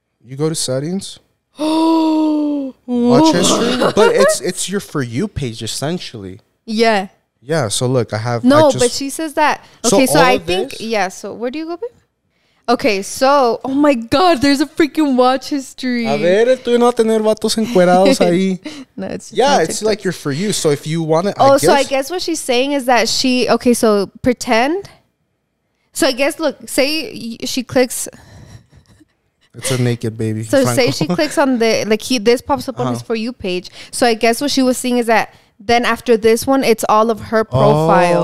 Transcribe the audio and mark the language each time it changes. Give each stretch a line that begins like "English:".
English: You go to settings. Oh. Watch history. But it's your For You page, essentially. Yeah. Yeah, so look, I have... No, I just, but she says that... Okay, so I think... This? Yeah, so where do you go, babe? Okay, so, oh my God, there's a freaking watch history.
Spanish: A ver, tú no tener vatos encuerados ahí.
English: Yeah, it's like you're For You. So if you want it, oh, so I guess what she's saying is that she, okay, so pretend. So I guess, look, say she clicks. It's a naked baby. So say she clicks on the, like this pops up on his For You page. So I guess what she was seeing is that then after this one, it's all of her profile.